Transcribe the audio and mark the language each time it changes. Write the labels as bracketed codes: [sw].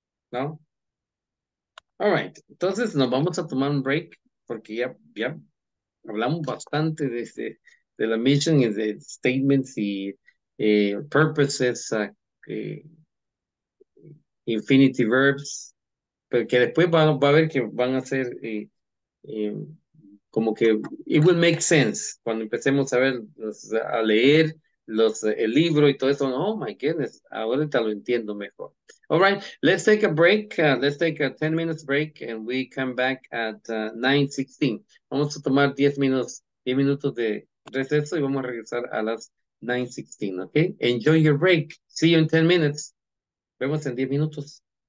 [es] ¿No? [en] All right, [es] entonces nos vamos a tomar un break porque ya hablamos bastante de la mission y de statements y purposes, infinity verbs, pero que después va a ver que van a ser como que [en] it will make sense [es] cuando empecemos a ver, a leer el libro y todo eso. [en] Oh my goodness, [es] ahorita lo entiendo mejor. [en] All right, let's take a break. Let's take a 10 minutes break and we come back at 9:16. [es] Vamos a tomar 10 minutos de receso y vamos a regresar a las 9:16, okay? [en] Enjoy your break. See you in 10 minutes. [es] Vemos en 10 minutos.